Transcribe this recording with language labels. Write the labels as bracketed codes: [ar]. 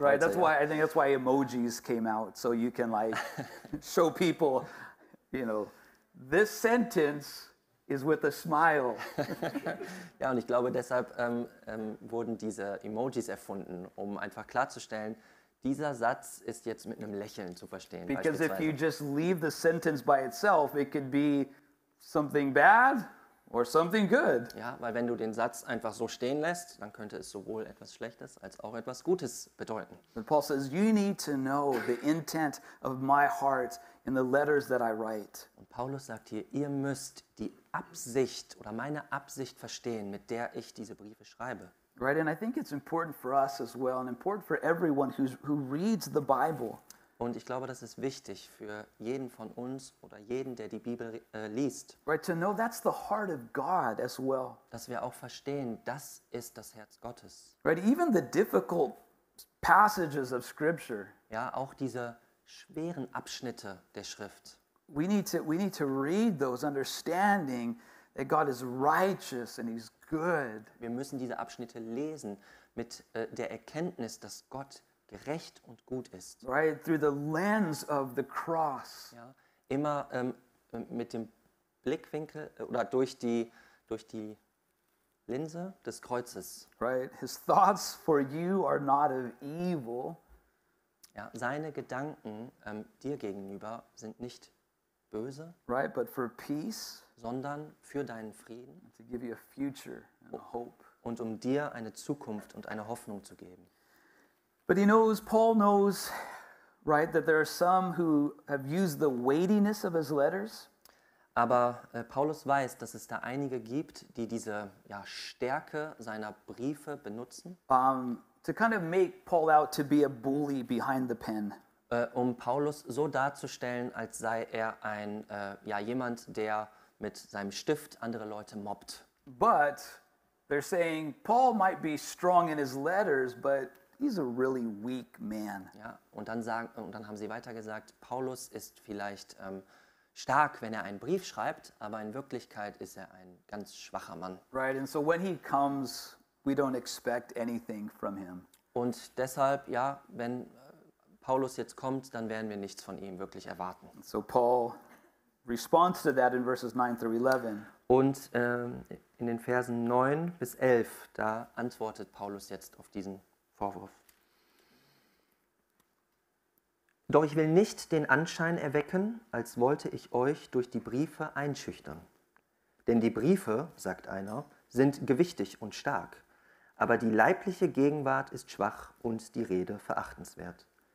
[en] Right, also, that's why emojis came out, so you can like show people, you know, this sentence is with a smile. [de] Ja, und ich glaube, deshalb wurden diese Emojis erfunden, um einfach klarzustellen, dieser Satz ist jetzt mit einem Lächeln zu verstehen. [en] Because if you just leave the sentence by itself, it could be something bad or something good. [de] Ja, weil wenn du den Satz einfach so stehen lässt, dann könnte es sowohl etwas Schlechtes als auch etwas Gutes bedeuten. [en] But Paul says, you need to know the intent of my heart in the letters that I write. [de] Und Paulus sagt hier, ihr müsst die Absicht oder meine Absicht verstehen, mit der ich diese Briefe schreibe. [en] Right, and I think it's important for us as well, and important for everyone who reads the Bible. [de] Und ich glaube, das ist wichtig für jeden von uns oder jeden, der die Bibel liest. [en] Right, to know that's the heart of God as well. [de] Dass wir auch verstehen, das ist das Herz Gottes. [en] Right, even the difficult passages of Scripture. [de] Ja, auch diese schweren Abschnitte der Schrift. [en] We need to read those understanding that God is righteous and he's good. [de] Wir müssen diese Abschnitte lesen mit der Erkenntnis, dass Gott gerecht und gut ist. [en] Right through the lens of the cross. [de] Ja, immer mit dem Blickwinkel oder durch die Linse des Kreuzes. [en] Right, his thoughts for you are not of evil. [de] Ja, seine Gedanken dir gegenüber sind nicht böse, [en] right, but for peace, [de] sondern für deinen Frieden, [en] to give you a future and a hope, [de] und um dir eine Zukunft und eine Hoffnung zu geben. [en] But he knows, Paul knows, right, that there are some who have used the weightiness of his letters. [de] Aber Paulus weiß, dass es da einige gibt, die diese Stärke seiner Briefe benutzen, [en] to kind of make Paul out to be a bully behind the pen. [de] Um Paulus so darzustellen, als sei er ein jemand, der mit seinem Stift andere Leute mobbt. [en] But they're saying Paul might be strong in his letters, but he's a really weak man. [de] Ja, und dann sagen und dann haben sie weiter gesagt, Paulus ist vielleicht stark, wenn er einen Brief schreibt, aber in Wirklichkeit ist er ein ganz schwacher Mann. [en] Right, and so when he comes, we don't expect anything from him. [de] Und deshalb, ja, wenn Paulus jetzt kommt, dann werden wir nichts von ihm wirklich erwarten. [en] So Paul responds to that in verses 9 through 11. [de] Und in den Versen 9 bis 11, da antwortet Paulus jetzt auf diesen Vorwurf. Doch ich will nicht den Anschein erwecken, als wollte ich euch durch die Briefe einschüchtern. Denn die Briefe, sagt einer, sind gewichtig und stark, aber die leibliche Gegenwart ist schwach und die Rede verachtenswert.